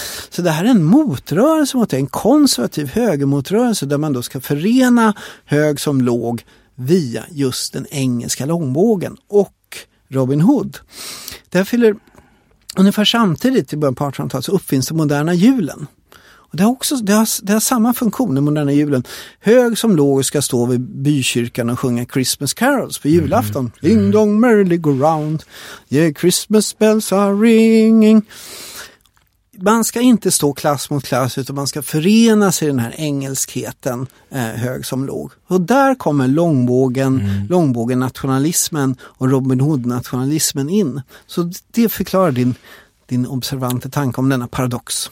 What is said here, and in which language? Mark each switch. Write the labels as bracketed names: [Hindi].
[Swedish] Så det här är en motrörelse mot det. En konservativ högermotrörelse där man då ska förena hög som låg via just den engelska långbågen och Robin Hood. Där fyller ungefär samtidigt i början på 1800-talet så uppfinns den moderna julen. Och det har samma funktion, den moderna julen. Hög som låg ska stå vid bykyrkan och sjunga Christmas carols på julafton. [English] Ding dong merrily go round, yeah, Christmas bells are ringing. [Swedish] Man ska inte stå klass mot klass utan man ska förena sig i den här engelskheten, hög som låg. Och där kommer långbågen nationalismen och Robin Hood-nationalismen in. Så det förklarar din observante tanke om denna paradox.